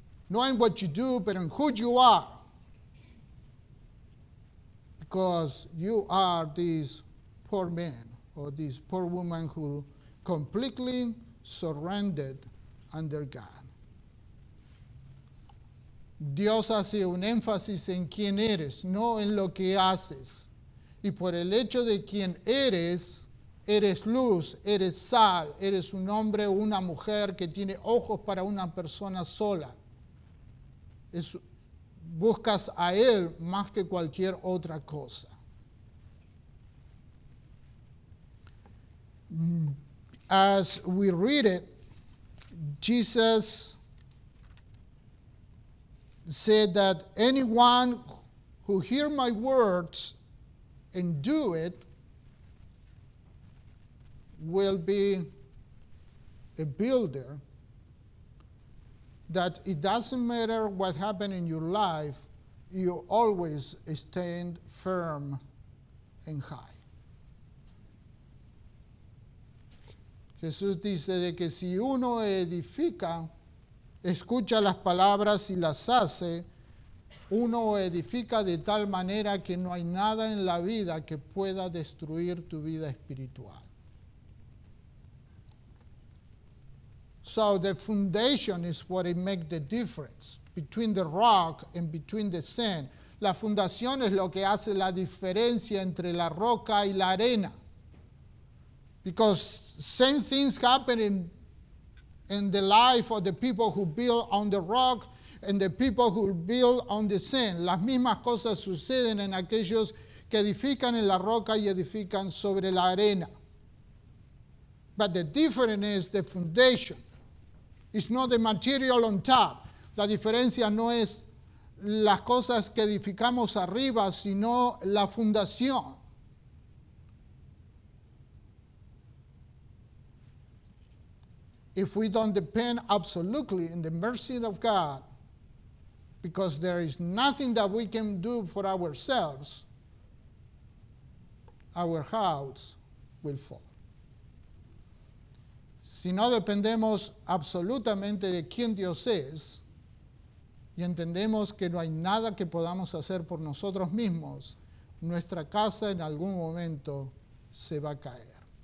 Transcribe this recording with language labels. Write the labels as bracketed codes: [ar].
[en] Knowing what you do, but in who you are. Because you are this poor man or this poor woman who completely surrendered under God. [es] Dios hace un énfasis en quién eres, no en lo que haces. Y por el hecho de quién eres, eres luz, eres sal, eres un hombre o una mujer que tiene ojos para una persona sola. Buscas a él más que cualquier otra cosa. [en] As we read it, Jesus said that anyone who hear my words and do it will be a builder. That it doesn't matter what happened in your life, you always stand firm and high. [es] Jesús dice de que si uno edifica, escucha las palabras y las hace, uno edifica de tal manera que no hay nada en la vida que pueda destruir tu vida espiritual. [en] So the foundation is what it makes the difference between the rock and between the sand. [es] La fundación es lo que hace la diferencia entre la roca y la arena. [en] Because same things happen in the life of the people who build on the rock and the people who build on the sand. [es] Las mismas cosas suceden en aquellos que edifican en la roca y edifican sobre la arena. [en] But the difference is the foundation. It's not the material on top. [es] La diferencia no es las cosas que edificamos arriba, sino la fundación. [en] If we don't depend absolutely in the mercy of God, because there is nothing that we can do for ourselves, our house will fall. [es] Si no dependemos absolutamente de quién Dios es y entendemos que no hay nada que podamos hacer por nosotros mismos, nuestra casa en algún momento se va a caer.